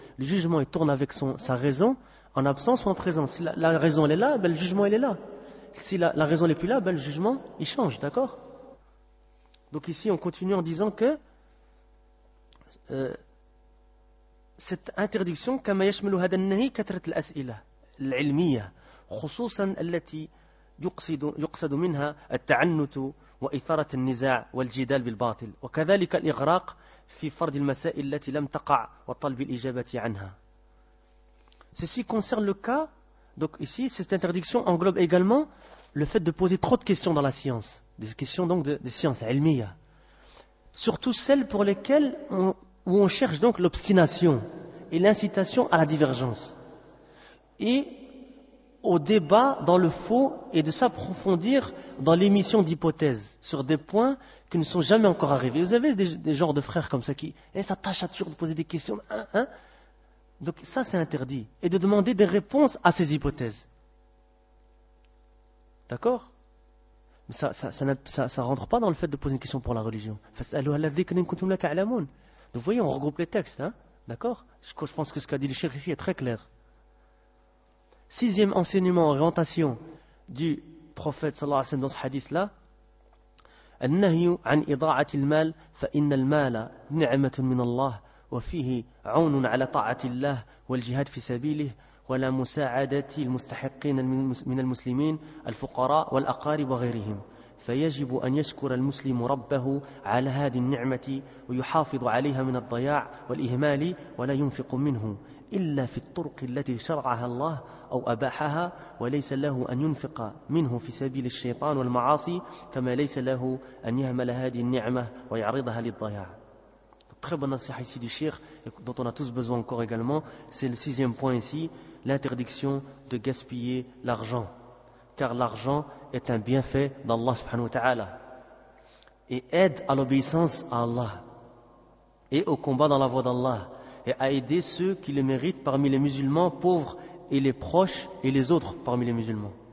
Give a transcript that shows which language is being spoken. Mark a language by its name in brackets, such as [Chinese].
[French] Le jugement il tourne avec sa raison en absence ou en présence. Si la raison elle est là, le jugement elle est là. Si la raison n'est plus là, le jugement il change. D'accord? Donc ici on continue en disant que. Cette interdiction, [Arabic] كما يشمل هذا النهي كثرة الأسئلة العلمية خصوصا التي يقصد منها التعنت وإثارة النزاع والجدال بالباطل وكذلك الإغراق في فرض المسائل التي لم تقع وطلب الإجابة عنها. [French] Ceci concerne le cas, donc ici cette interdiction englobe également le fait de poser trop de questions dans la science, des questions donc de science علمية, surtout celles pour lesquelles où on cherche donc l'obstination et l'incitation à la divergence et au débat dans le faux et de s'approfondir dans l'émission d'hypothèses sur des points qui ne sont jamais encore arrivés. Vous avez des genres de frères comme ça qui s'attachent à toujours de poser des questions. Hein? Donc ça, c'est interdit. Et de demander des réponses à ces hypothèses. D'accord? Mais ça rentre pas dans le fait de poser une question pour la religion. Donc, vous voyez, on regroupe les textes, hein? D'accord? Je pense que ce qu'a dit le cheikh ici est très clair. Sixième enseignement, orientation du prophète sallallahu alayhi wa sallam dans ce hadith-là, [Arabic] النهي عن إضاعة المال، فإن المال نعمة من الله وفيه عون على طاعة الله والجهاد في سبيله ولا مساعدة المستحقين من المسلمين الفقراء والأقارب وغيرهم، فيجب أن يشكر المسلم ربه على هذه النعمة ويحافظ عليها من الضياع والإهمال، ولا ينفق منه إلا في الطرق التي شرعها الله أو أباحها، وليس له أن ينفق منه في سبيل الشيطان والمعاصي، كما ليس له أن يهمل هذه النعمة ويعرضها للضياع. [French] Très bonne nasiha ici du Cheikh, dont on a tous besoin encore également, c'est le sixième point ici, l'interdiction de gaspiller l'argent. Car l'argent est un bienfait d'Allah subhanahu wa ta'ala et aide à l'obéissance à Allah et au combat dans la voie d'Allah et à aider ceux qui le méritent parmi les musulmans pauvres et les proches et les autres parmi les musulmans.